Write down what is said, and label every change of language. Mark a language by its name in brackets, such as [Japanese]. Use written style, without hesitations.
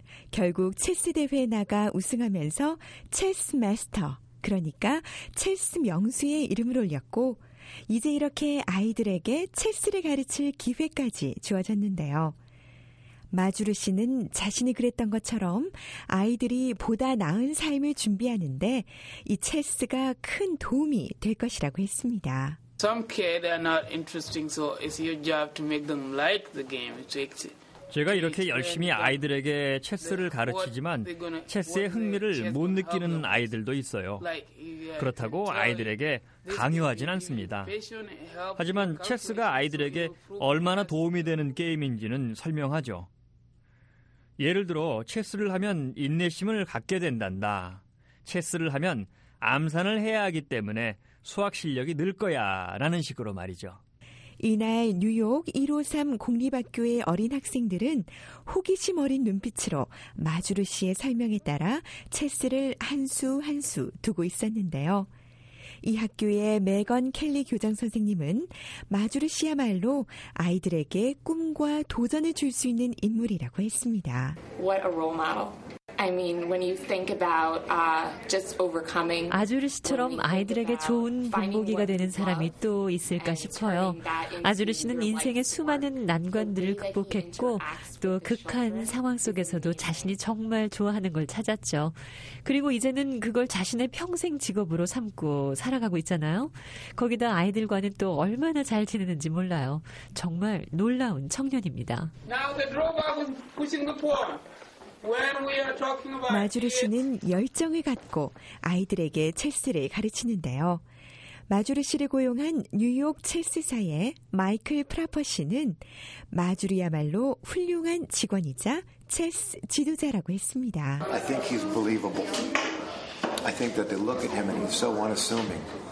[Korean] 결국 체스 대회에 나가 우승하면서 체스 마스터, 그러니까 체스 명수의 이름을 올렸고 이제 이렇게 아이들에게 체스를 가르칠 기회까지 주어졌는데요. 마주루 씨는 자신이 그랬던 것처럼 아이들이 보다 나은 삶을 준비하는데 이 체스가 큰 도움이 될 것이라고 했습니다. [English] Some kids are not interesting, so it's your job to make them like the game. [Korean] 제가 이렇게 열심히 아이들에게 체스를 가르치지만 체스의 흥미를 못 느끼는 아이들도 있어요. 그렇다고 아이들에게 강요하진 않습니다. 하지만 체스가 아이들에게 얼마나 도움이 되는 게임인지는 설명하죠. 예를 들어 체스를 하면 인내심을 갖게 된단다. 체스를 하면 암산을 해야 하기 때문에 수학 실력이 늘 거야 라는 식으로 말이죠. 이날 뉴욕 153 공립학교의 어린 학생들은 호기심 어린 눈빛으로 마주루 씨의 설명에 따라 체스를 한 수 한 수 두고 있었는데요. 이 학교의 매건 켈리 교장 선생님은 마주루 씨야말로 아이들에게 꿈과 도전을 줄 수 있는 인물이라고 했습니다. [English] What a role model. I mean, when you think about just overcoming. [Korean] 아주르 씨처럼 아이들에게 좋은 본보기가 되는 사람이 또 있을까 싶어요. 아주르 씨는 인생의 수많은 난관들을 극복했고 또 극한 상황 속에서도 자신이 정말 좋아하는 걸 찾았죠. 그리고 이제는 그걸 자신의 평생 직업으로 삼고 살아가고 있잖아요. 거기다 아이들과는 또 얼마나 잘 지내는지 몰라요. 정말 놀라운 청년입니다. [English] Now the robot is pushing the pole. When we are talking about [Korean] 마주루 씨는 열정을 갖고 아이들에게 체스를 가르치는데요. 마주루 씨를 고용한 뉴욕 체스사의 마이클 프라퍼 씨는 마주루야말로 훌륭한 직원이자 체스 지도자라고 했습니다. [English] I think he's believable. I think that they look at him and he's so unassuming.